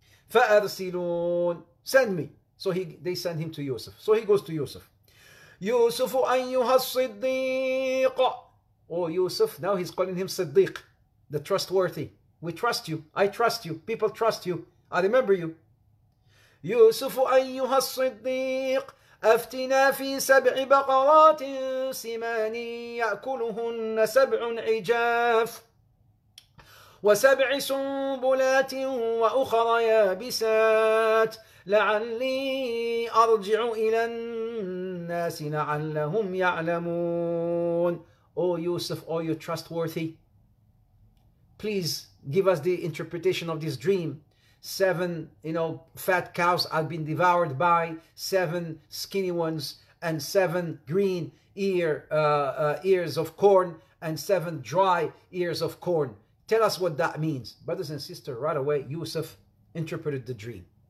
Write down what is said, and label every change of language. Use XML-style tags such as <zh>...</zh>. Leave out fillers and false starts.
<ar>فَأَرْسِلُونَ</ar> <en>Send me. So they send him to Yusuf. So he goes to Yusuf.</en> <ar>يوسف أيها الصديق</ar> <en>Oh Yusuf, now he's calling him Siddiq, the trustworthy. We trust you, I trust you, people trust you, I remember you.</en> <ar>يوسف أيها الصديق أفتنا في سبع بقرات سمان يأكلهن سبع عجاف وسبع سنبلات وأخرى يابسات لعلي أرجع إلى الناس لعلهم يعلمون</ar> <en>Oh Yusuf, oh you trustworthy, please give us the interpretation of this dream. Seven, you know, fat cows I've been devoured by, seven skinny ones, and seven green ears of corn, and seven dry ears of corn. Tell us what that means. Brothers and sisters, right away, Yusuf interpreted the dream.</en>